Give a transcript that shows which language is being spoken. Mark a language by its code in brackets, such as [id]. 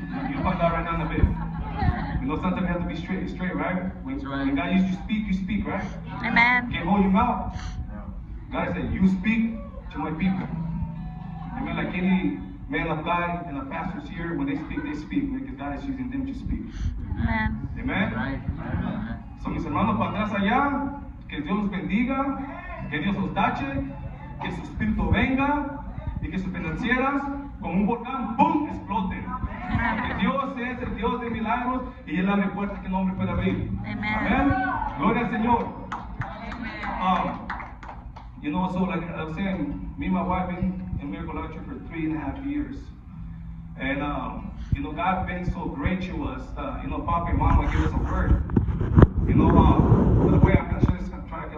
[en] You'll find out right now in a bit. You know, sometimes you have to be straight, right? When God used you speak, right? Amen. Can't hold your mouth. God said, you speak to my people. I mean, like any man of God and a pastor's here, when they speak, they speak. Because God is using them to speak. Amen. Amen. Right. [es] So mis hermanos para atrás allá, que Dios los bendiga. Que Dios os tache, que su espíritu venga y que sus financieras, como un volcán, ¡pum!, exploten. Que Dios es el Dios de milagros y Él abre puertas que no hombre puede abrir. Amén. Gloria al Señor. [en] You know, so like I was saying, me and my wife been in Miracle Life for 3.5 years. And, you know, God been so great to us. You know, Papa and Mama give us a word. You know, by the way, I'm going to show this. I'm trying to get